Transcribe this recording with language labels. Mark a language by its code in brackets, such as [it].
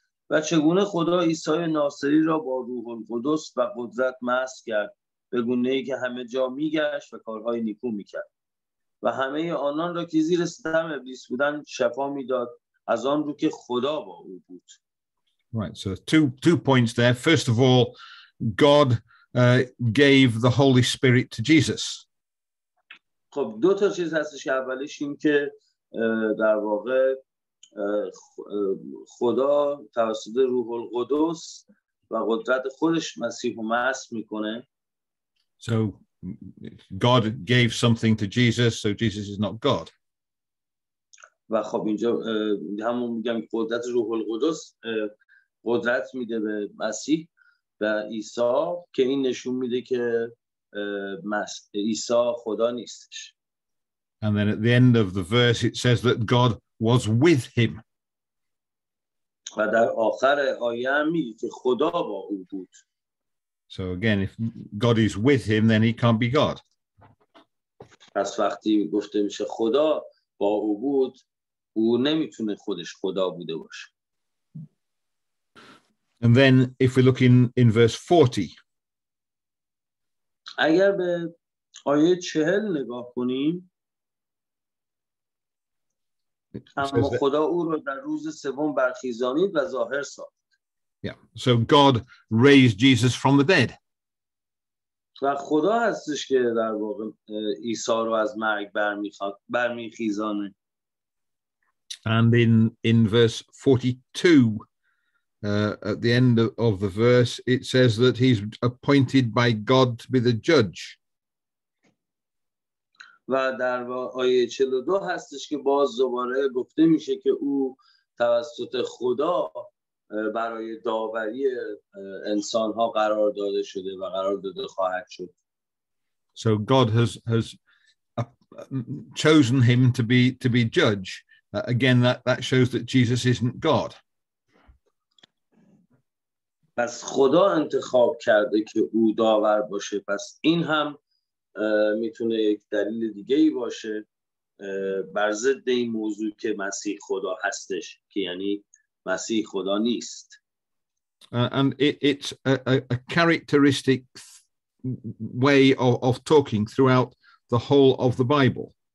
[fa] و چگونه خدا عیسی ناصری را با روح القدس و قدرت مسح کرد به گونه ای که همه جا میگشت و کارهای نیکو میکرد و همه آنان را که زیر ستم ابلیس بودند شفا میداد از آن رو که خدا با او بود. [en] Right, so two points there. First of all, God gave the Holy Spirit to Jesus. [fa] خب دو تا چیز هستش که اولش این که در واقع خدا توسط روح القدس و قدرت خودش مسیح و مسح میکنه. [en] So God gave something to Jesus, so Jesus is not God. [fa] و خب اینجا همون میگم قدرت روح القدس قدرت میده به مسیح و عیسی که این نشون میده که عیسی خدا نیستش. [en] And then at the end of the verse it says that God was with him. [fa] و در آخر آیه میگه که خدا با او بود. [en] So again, if God is with him, then he can't be God. [fa] پس وقتی گفته میشه خدا با او بود، او نمیتونه خودش خدا بوده باشه. [en] And then if we look in verse 40. [fa] اگر به آیه 40 نگاه کنیم، اما خدا او را در روز سوم برخیزانید و ظاهر ساخت. [en] Yeah, so God raised Jesus from the dead. [fa] و خدا هستش که در واقع عیسی رو از مرگ برمیخیزانه. [en] And in verse 42, at the end of the verse, it says that he's appointed by God to be the judge. [fa] و در آیه 42 هستش که باز دوباره گفته میشه که او توسط خدا برای داوری انسان ها قرار داده شده و قرار داده خواهد شد. [en] So God has chosen him to be judge. Again, that shows that Jesus isn't God. [fa] پس خدا انتخاب کرده که او داور باشه. پس این هم میتونه یک دلیل دیگه ای باشه بر ضد این موضوع که مسیح خدا هستش، که یعنی مسیح خدا نیست. [en] And it's a characteristic way of talking throughout the whole of the Bible.